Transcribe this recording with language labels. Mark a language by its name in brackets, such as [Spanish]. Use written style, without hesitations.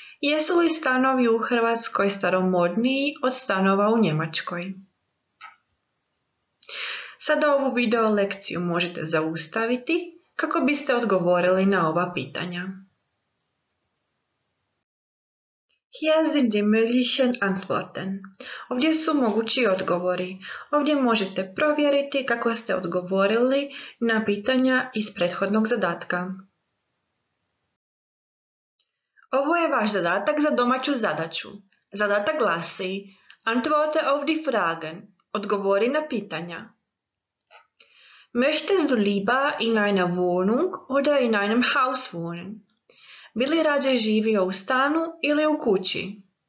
[Croatian] Jesu li stanovi u Hrvatskoj staromodniji od stanova u Njemačkoj? Sada ovu video lekciju možete zaustaviti kako biste odgovorili na ova pitanja. [German] Hier sind die möglichen Antworten. [Croatian] Ovdje su mogući odgovori. Ovdje možete provjeriti kako ste odgovorili na pitanja iz prethodnog zadatka. Ovo je vaš zadatak za domaću zadaću. Zadatak glasi: [German] Antworte auf die Fragen. [Croatian] Odgovori na pitanja. [German] Möchtest du lieber in einer Wohnung oder in einem Haus wohnen? [Croatian] Bi li rađe živio u stanu ili u kući?